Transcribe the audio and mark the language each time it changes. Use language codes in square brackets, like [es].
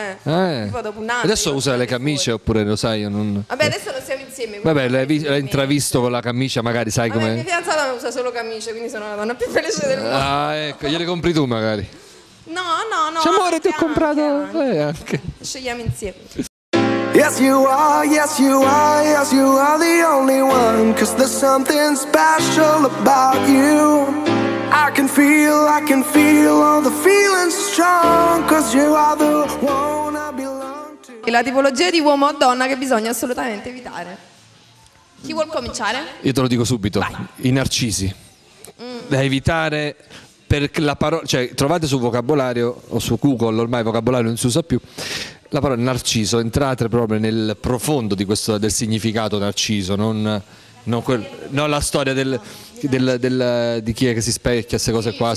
[it] dopo un anno. Adesso usa le camicie oppure lo sai, io non... Vabbè, adesso non siamo insieme. Vabbè, l'hai intravisto con la camicia, magari sai come. Mia fidanzata non usa solo camicie, quindi sono la donna più felice del mondo. Ah, ecco, gliele compri tu magari. No, no, no. C'è amore, ti ho comprato anche. Anche. Scegliamo insieme. [en] Yes you are, yes you are, yes you are the only one, 'cause there's something special about you. I can feel all the feelings strong, 'cause you are the one I belong to. [it] E la tipologia di uomo o donna che bisogna assolutamente evitare. Chi vuol cominciare? Io te lo dico subito. Vai. I narcisi. Da evitare. Per la parola, cioè, trovate su vocabolario o su Google, ormai vocabolario non si usa più, la parola narciso, entrate proprio nel profondo di questo, del significato narciso, non la storia di chi è che si specchia, queste cose qua.